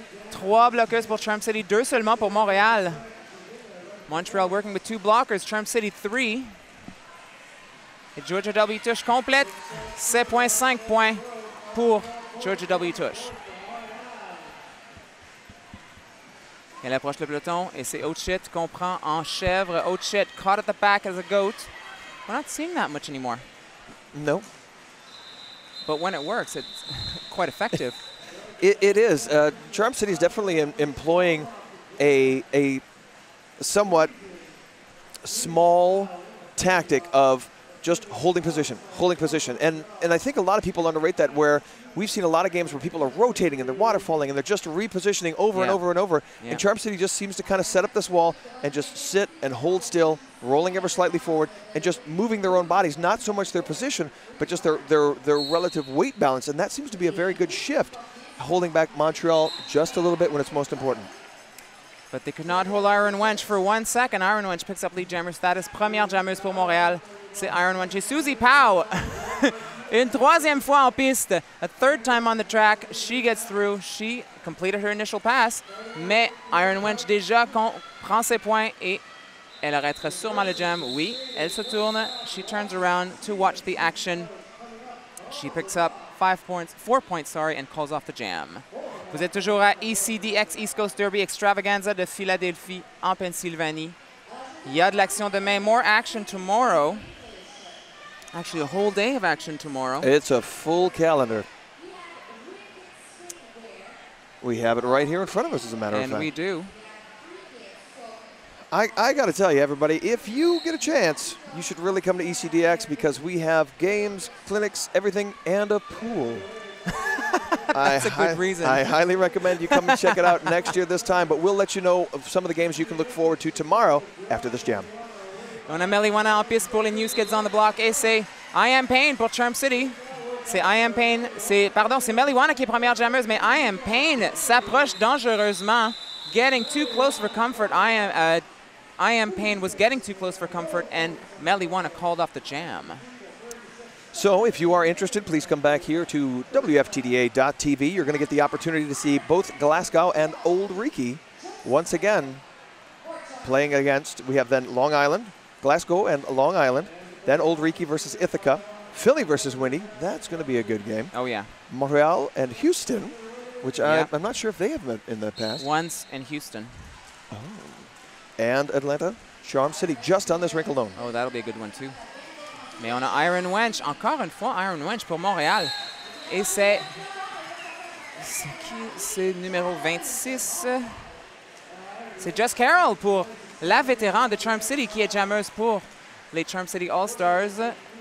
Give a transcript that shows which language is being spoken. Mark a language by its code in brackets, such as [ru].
[fr] 3 bloqueuses pour Charm City, 2 seulement pour Montréal. [en] Montreal working with 2 blockers, Charm City 3. [fr] Et Georgia W. Tush complète 7 points, 5 points pour Georgia W. Tush. Elle approche le peloton et c'est Ochit qu'on prend en chèvre. [en] Ochit caught at the back as a goat. We're not seeing that much anymore. No. But when it works, it's quite effective. It is. Charm City is definitely employing a somewhat small tactic of just holding position. And I think a lot of people underrate that, where we've seen a lot of games where people are rotating and they're waterfalling and they're just repositioning over and over and over. Yeah. And Charm City just seems to kind of set up this wall and just sit and hold still, rolling ever slightly forward and just moving their own bodies, not so much their position, but just their relative weight balance. And that seems to be a very good shift, holding back Montreal just a little bit when it's most important. But they could not hold Iron Wench for 1 second. Iron Wench picks up lead jammer status. [fr] Première jammeuse pour Montréal. C'est Iron Wench. Et Susie Powell, une troisième fois en piste. [en] A third time on the track. She gets through. She completed her initial pass. [fr] Mais Iron Wench déjà prend ses points et elle arrêtera sûrement le jam. Oui, elle se tourne. [en] She turns around to watch the action. She picks up 5 points, 4 points, sorry, and calls off the jam. [fr] Vous êtes toujours à ECDX East Coast Derby Extravaganza de Philadelphie en Pennsylvanie. Il y a de l'action demain. [en] More action tomorrow. Actually, a whole day of action tomorrow. It's a full calendar. We have it right here in front of us, as a matter of fact. And we do. I got to tell you, everybody, if you get a chance, you should really come to ECDX because we have games, clinics, everything, and a pool. That's a good reason. I highly recommend you come and check it out next year this time, but we'll let you know of some of the games you can look forward to tomorrow after this jam. [fr] On a Meliwana en piste pour les New Kids on the Block. Et c'est I Am Pain pour Charm City. C'est I Am Pain. C'est Meliwana qui est première jammeuse, mais I Am Pain s'approche dangereusement. [en] Getting too close for comfort. I Am Pain was getting too close for comfort, and Meliwana called off the jam. So if you are interested, please come back here to WFTDA.tv. You're going to get the opportunity to see both Glasgow and Old Reiki once again playing against. We have then Long Island, Glasgow and Long Island, then Old Reiki versus Ithaca, Philly versus Winnie. That's going to be a good game. Oh, yeah. Montreal and Houston, which I'm not sure if they have met in the past. Once in Houston. Oh. And Atlanta, Charm City, just on this rink alone. Oh, that'll be a good one, too. [fr] Mais on a Iron Wench, encore une fois Iron Wench pour Montréal. Et c'est qui? C'est numéro 26. C'est Jess Carroll pour la vétéran de Charm City qui est jammeuse pour les Charm City All-Stars.